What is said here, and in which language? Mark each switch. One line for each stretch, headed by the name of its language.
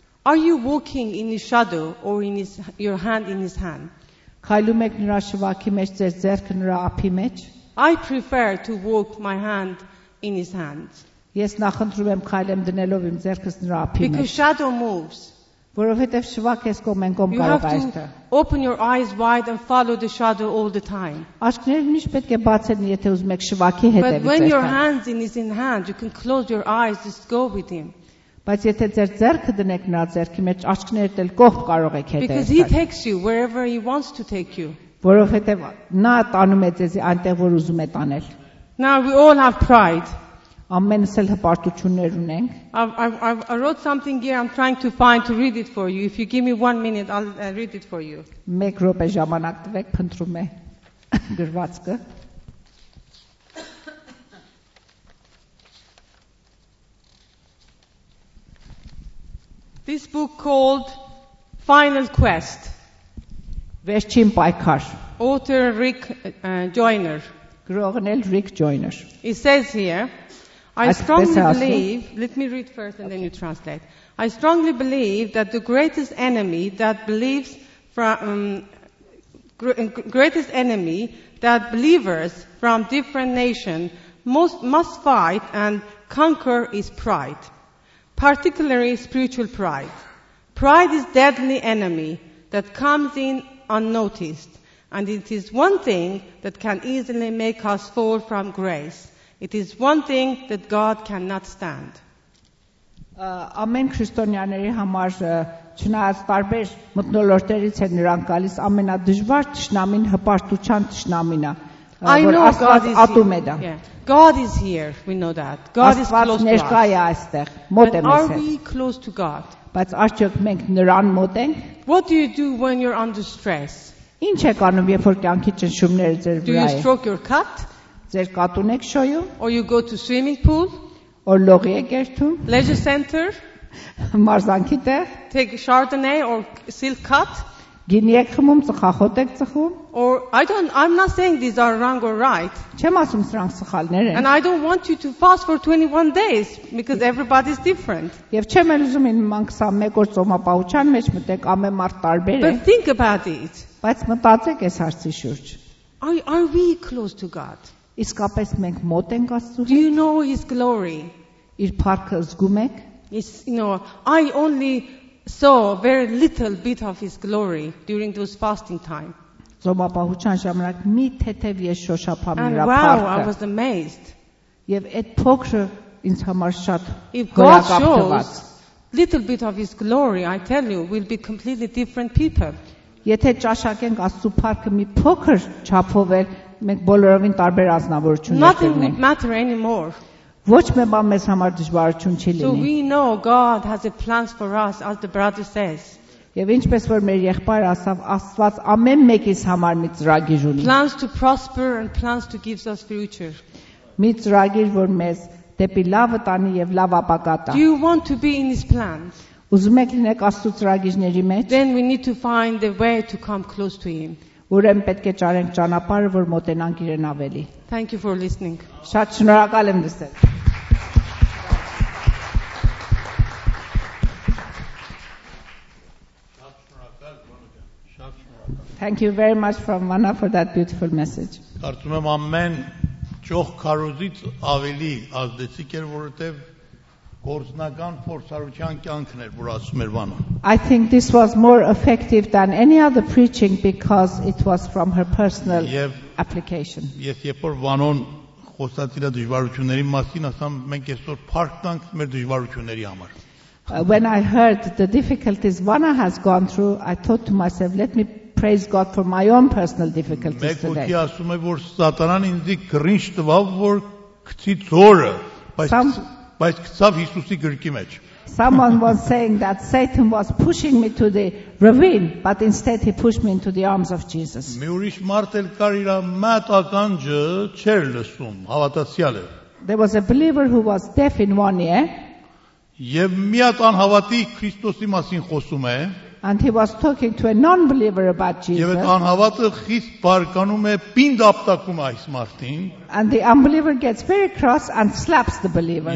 English: Are you walking in his shadow or in his your hand in his hand?
Armenian: Քայլում եք նրա շվաքի մեջ, ձեր ձեռքը նրա ափի մեջ։
English: I prefer to walk my hand in his hands.
Armenian: Ես նախընտրում եմ քայլեմ դնելով իմ ձեռքս նրա ափի մեջ։
English: Because shadow moves.
Armenian: Որովհետև շվաքես կոմ են կոմ կարող այդ։
English: You have to open your eyes wide and follow the shadow all the time.
Armenian: Աչքերը միշտ պետք է բացել, եթե ուզում եք շվաքի հետ ելնել։
English: But when your hands is in hand, you can close your eyes just go with him.
Armenian: Բայց եթե ձեր ձեռքը դնեք նրա ձեռքի մեջ, աչքերը դել կողք կարող եք հետ ելնել։
English: Because he takes you wherever he wants to take you.
Armenian: Որովհետև նա տանում է ձեզ այնտեղ, որ ուզում է տանել։
English: Now we all have pride.
Armenian: Ամենս էլ հպարտություններ ունենք։
English: I wrote something here, I'm trying to find to read it for you. If you give me 1 minute, I'll read it for you.
Armenian: Մեկ րոպե ժամանակ տվեք, փնտրում եմ գրվածքը։
English: This book called Final Quest.
Armenian: Վերջին պայքար։
English: Author Rick Joyner.
Armenian: Գրողն էլ Rick Joyner.
English: He says here, I strongly believe, let me read first and then you translate. I strongly believe that the greatest enemy that believes from greatest enemy that believers from different nations must fight and conquer is pride, particularly spiritual pride. Pride is deadly enemy that comes in unnoticed, and it is one thing that can easily make us fall from grace. It is one thing that God cannot stand.
Armenian: ամեն քրիստոնյաների համար չնայած տարբեր մտնոլորտերից են նրանք գալիս, ամենադժվար ճշնամին հպարտության ճշնամինն է, որ Աստված ատում է դա։
English: God is here, we know that. God is close to us.
Armenian: Աստված ներկայ է այստեղ, մոտ է մեզ։
English: Are we close to God?
Armenian: Բայց արդյոք մենք նրան մոտ ենք։
English: What do you do when you're under stress?
Armenian: Ինչ եք անում, երբ որ կյանքի ճնշումները ձեր վրա են։
English: Do you stroke your cat?
Armenian: Ձեր կատուն եք շոյում։
English: Or you go to swimming pool? Or
Armenian: լողի եք երթում։
English: Leisure center?
Armenian: Մարզանքի տեղ։
English: Take Chardonnay or silk cat?
Armenian: Գինի եք խմում, ծխախոտ եք ծխում։
English: Or I'm not saying these are wrong or right.
Armenian: Չեմ ասում սրանք սխալներ են։
English: And I don't want you to fast for 21 days because everybody's different.
Armenian: Եվ չեմ էլ ուզում իման 21 օր ծոմապահության մեջ մտեք, ամեն մարդ տարբեր է։
English: But think about it.
Armenian: Բայց մտածեք այս հարցի շուրջ։
English: Are we close to God?
Armenian: Իսկապես մենք մոտ ենք Աստծուին։
English: Do you know his glory?
Armenian: Իր փառքը զգում եք։
English: Is you know, I only saw very little bit of his glory during those fasting time.
Armenian: Ծոմապահության ժամանակ մի թեթև ես շոշափա մի ապարտ։
English: Wow, I was amazed.
Armenian: Եվ այդ փոքրը ինձ համար շատ հրաշալի։
English: Little bit of his glory, I tell you, will be completely different people.
Armenian: Եթե ճաշակենք Աստծո փառքը մի փոքր չափով, մենք բոլորովին տարբեր ազնվորություն ունենք։
English: Nothing would matter anymore.
Armenian: Ոչ մի բան մեզ համար դժվարություն չի լինի։
English: So we know God has a plan for us as the brother says.
Armenian: Եվ ինչպես որ մեր եղբայր ասավ, Աստված ամեն մեկիս համար մի ծրագիր ունի։
English: Plans to prosper and plans to give us future.
Armenian: Մի ծրագիր, որ մեզ դեպի լավը տանի եւ լավ ապագա տա։
English: Do you want to be in his plans?
Armenian: Ուզում եք լինեք Աստծո ծրագիրների մեջ։
English: Then we need to find a way to come close to him.
Armenian: Ուրեմն պետք է ճարենք ճանապարհը, որ մոտենանք իրեն ավելի։
English: Thank you for listening.
Armenian: Շատ շնորհակալ եմ դստել։
English: Thank you very much from Mana for that beautiful message.
Armenian: Կարծում եմ ամեն ճոխ քարոզից ավելի ազդեցիկ էր, որովհետև գործնական փորձառության կյանքն էր, որ ասում էր Վանա։
English: I think this was more effective than any other preaching because it was from her personal application.
Armenian: Ես երբ որ Վանոն խոսաց իր դժվարությունների մասին, ասամ մենք այսօր փառք տանք մեր դժվարությունների համար։
English: When I heard the difficulties Vanna has gone through, I thought to myself, let me praise God for my own personal difficulties today.
Armenian: Մեկ ուտի ասում է, որ Սատանան ինձի գրինչ տվավ, որ քցի ձորը, բայց կծավ Հիսուսի գրկի մեջ։
English: Someone was saying that Satan was pushing me to the ravine, but instead he pushed me into the arms of Jesus.
Armenian: Մի ուրիշ մարդ էլ կար, իր մատ ականջը չէր լսում, հավատացյալ էր։
English: There was a believer who was deaf in one ear.
Armenian: Եվ մի հատ անհավատի Քրիստոսի մասին խոսում է։
English: And he was talking to a non-believer about Jesus.
Armenian: Եվ անհավատը խիստ բարկանում է, պինդ ապտակում այս մարդին։
English: And the unbeliever gets very cross and slaps the believer.